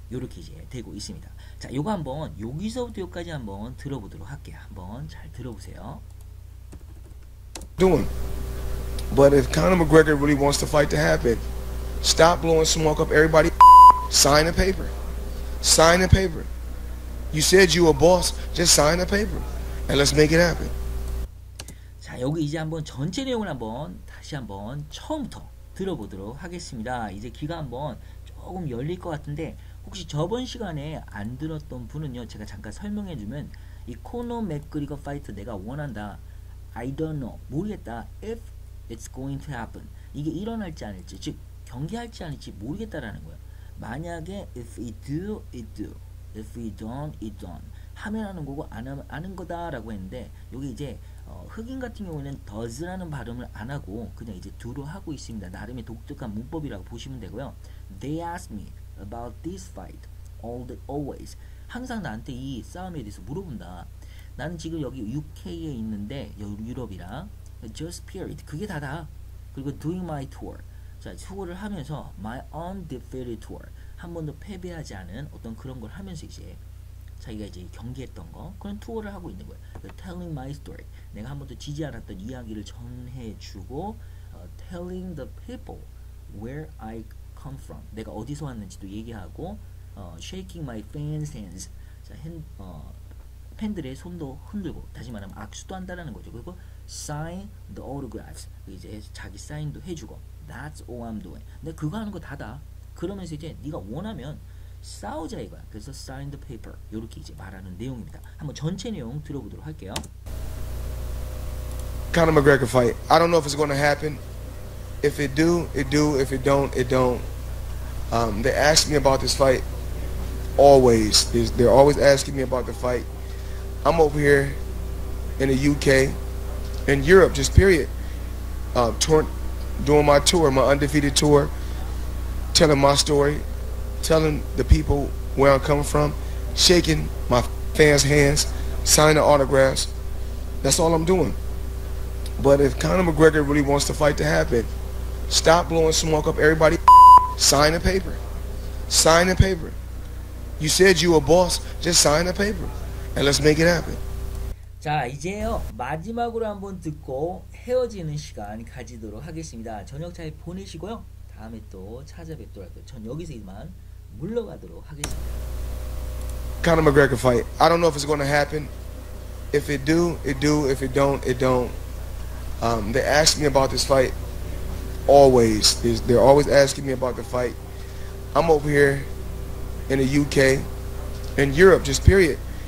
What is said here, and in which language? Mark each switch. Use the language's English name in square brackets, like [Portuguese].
[Korean] 이렇게 이제 되고 있습니다. 자, 이거 한번 여기서부터 여기까지 한번 들어보도록 할게요. 한번 잘 들어보세요. [English] Doing. But if Conor McGregor really wants the fight to happen, stop blowing smoke up everybody. Sign the paper. Sign the paper. You said you were boss. Just sign the paper. And let's make it happen. [Korean] 자, 여기 이제 한번 전체 내용을 한번 다시 한번 처음부터 들어보도록 하겠습니다. 이제 귀가 한번 조금 열릴 것 같은데 혹시 저번 시간에 안 들었던 분은요. 제가 잠깐 설명해 주면 이 코너 맥그리거 파이트 내가 원한다. [English] I don't know. [Korean] 모르겠다. [English] If It's going to happen. [Korean] 이게 일어날지 아닐지, 즉 경기할지 아닐지 모르겠다라는 거예요. 만약에 [English] if we do, it do. If we don't, it don't. [Korean] 하면 하는 거고 안 하면 아는 거다라고 했는데 여기 이제 흑인 같은 경우에는 does라는 발음을 안 하고 그냥 이제 do로 하고 있습니다. 나름의 독특한 문법이라고 보시면 되고요. [English] They ask me about this fight all the always. [Korean] 항상 나한테 이 싸움에 대해서 물어본다. 나는 지금 여기 UK에 있는데 유럽이랑. [English] Just period. [Korean] 그게 다다. 그리고 [English] doing my tour. [Korean] 자, 투어를 하면서 [English] my undefeated tour. [Korean] 한 번도 패배하지 않은 어떤 그런 걸 하면서 이제 자기가 이제 경기했던 거 그런 투어를 하고 있는 거예요. [English] The telling my story. [Korean] 내가 한 번도 지지 않았던 이야기를 전해주고 [English] telling the people where I come from. [Korean] 내가 어디서 왔는지도 얘기하고 [English] shaking my fans' hands. [Korean] 자, 팬들의 손도 흔들고 다시 말하면 악수도 한다라는 거죠. 그리고 [English] sign the autographs. [Korean] 이제 자기 사인도 해주고 [English] that's all I'm doing. [Korean] 근데 그거 하는 거 다다. 그러면서 이제 네가 원하면 싸우자 이거야. 그래서 [English] sign the paper [Korean] 이렇게 이제 말하는 내용입니다. 한번 전체 내용 들어보도록 할게요. [English] Conor McGregor fight. I don't know if it's going to happen. If it do, it do. If it don't, it don't. They ask me about this fight always. They're always asking me about the fight. I'm over here in the UK. In Europe, just period. Doing my tour, my undefeated tour, telling my story, telling the people where I'm coming from, shaking my fans' hands, signing autographs. That's all I'm doing. But if Conor McGregor really wants the fight to happen, stop blowing smoke up everybody. Sign the paper. Sign the paper. You said you were boss, just sign the paper. And let's make it happen. [Korean] 자, 이제요 마지막으로 한번 듣고 헤어지는 시간 가지도록 하겠습니다. 저녁 잘 보내시고요. 다음에 또 찾아뵙도록 할게요. 전 여기서 이만 물러가도록 하겠습니다. [English] Conor McGregor fight. I don't know if it's going to happen. If it do, it do. If it don't, it don't. They ask me about this fight always. They're always asking me about the fight. I'm over here in the UK, in Europe, just period.